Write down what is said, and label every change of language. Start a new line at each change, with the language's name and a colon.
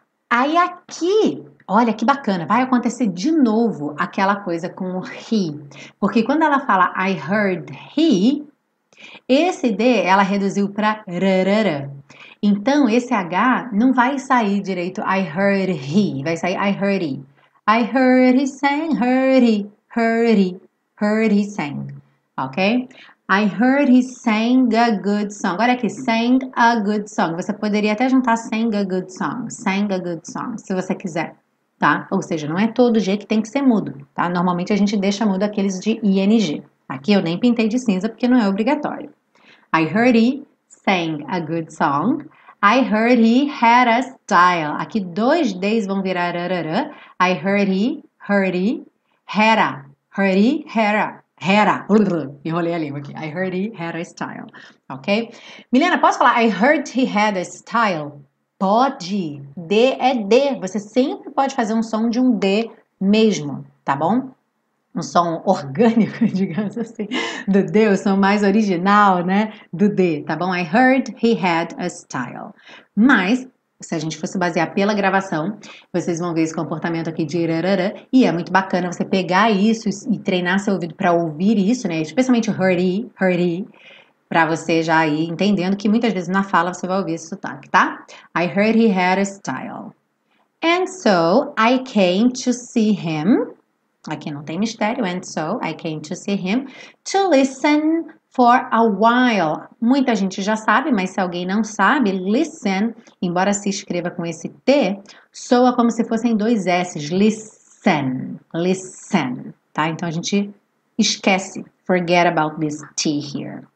Portuguese: Aí aqui, olha que bacana, vai acontecer de novo aquela coisa com o he, porque quando ela fala
English: I heard he.
Portuguese: Esse D ela reduziu para rarara. Então esse H não vai sair direito
English: I heard he,
Portuguese: vai sair I heard he.
English: I heard he sang, heard he sang. Ok? I heard he sang a good song.
Portuguese: Agora aqui,
English: sang a good song.
Portuguese: Você poderia até juntar
English: sang a good song,
Portuguese: sang a good song, se você quiser, tá? Ou seja, não é todo G que tem que ser mudo, tá? Normalmente a gente deixa mudo aqueles de ing. Aqui eu nem pintei de cinza porque não é obrigatório.
English: I heard he sang a good song. I heard he had a style.
Portuguese: Aqui dois D's vão virar rarara.
English: I heard he had a. Heard he had a.
Portuguese: Enrolei a língua aqui.
English: I heard he had a style. Ok? Milena,
Portuguese: posso falar
English: I heard he had a style?
Portuguese: Pode. D é D. Você sempre pode fazer um som de um D mesmo, tá bom? Um som orgânico, digamos assim, do D, o som mais original, né? Do D, tá bom?
English: I heard he had a style.
Portuguese: Mas, se a gente fosse basear pela gravação, vocês vão ver esse comportamento aqui de irarara, e é muito bacana você pegar isso e treinar seu ouvido para ouvir isso, né? Especialmente o hurdy, para você já ir entendendo que muitas vezes na fala você vai ouvir esse sotaque, tá?
English: I heard he had a style. And so I came to see him.
Portuguese: Aqui não tem mistério.
English: And so I came to see him to listen for a while.
Portuguese: Muita gente já sabe, mas se alguém não sabe, listen, embora se escreva com esse T, soa como se fossem dois S's. Listen, listen. Tá? Então a gente esquece.
English: Forget about this T here.